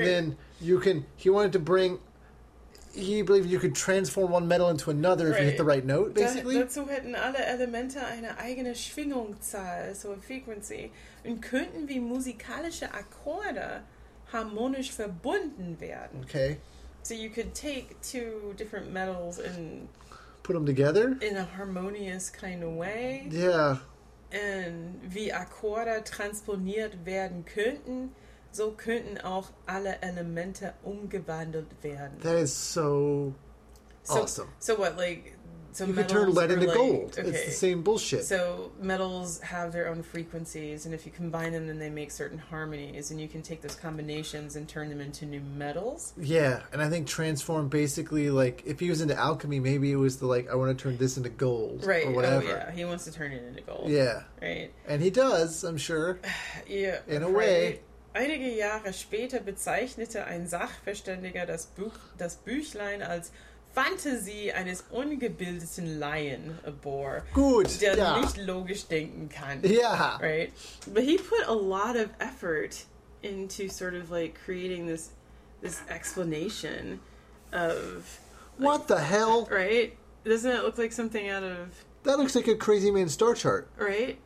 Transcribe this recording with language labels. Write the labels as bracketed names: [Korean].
[English] And then he believed you could transform one metal into another, right, if you hit the right note, basically. [German] Dazu hätten alle Elemente eine eigene Schwingungszahl, [English] so a frequency, [German] und könnten wie musikalische Akkorde harmonisch verbunden werden. [English] Okay. So you could take two different metals and... Put them together? In a harmonious kind of way. Yeah. [German] Und wie Akkorde transponiert werden könnten, so könnten auch alle Elemente umgewandelt werden. [English] That is so awesome. So what, like, so you can turn lead into gold. Okay. It's the same bullshit. So metals have their own frequencies, and if you combine them, then they make certain harmonies, and you can take those combinations and turn them into new metals. Yeah, and I think transform basically, like, if he was into alchemy, maybe it was the, like, I want to turn this into gold, right, or whatever. Oh, yeah, he wants to turn it into gold. Yeah. Right. And he does, I'm sure. Yeah. In a way. [German] Einige Jahre später bezeichnete ein Sachverständiger das Büchlein als Fantasie eines ungebildeten Laien, [English] a bore. [German] Gut, der ja. nicht logisch denken kann. [English] Yeah. Right? But he put a lot of effort into sort of like creating this explanation of... Like, what the hell? Right? Doesn't it look like something out of... That looks like a crazy man star chart. Right?